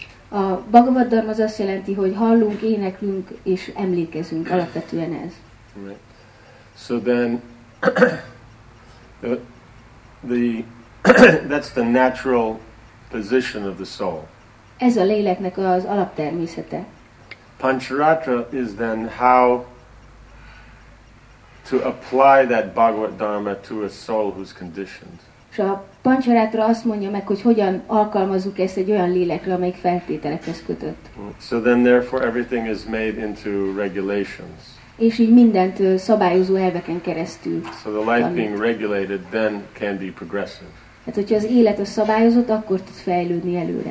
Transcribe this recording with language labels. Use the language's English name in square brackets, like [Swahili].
[Hungarian] A Bhagavata Dharma az azt jelenti, hogy hallunk, éneklünk és emlékezünk, alapvetően ez. [English] So then, the That's the natural position of the soul. [Hungarian] Ez a léleknek az alaptermészete. [English] Pancharatra is then how to apply that Bhagavad Dharma to a soul who's conditioned. [Hungarian] És a Pancharatra azt mondja meg, hogy hogyan alkalmazzuk ezt egy olyan lélekre, amelyik feltételekhez kötött. [English] So then therefore everything is made into regulations. [Hungarian] És így mindent szabályozó elveken keresztül. [English] So the life being regulated then can be progressive. [Hungarian] Hát hogyha az élet a szabályozott, akkor tud fejlődni előre.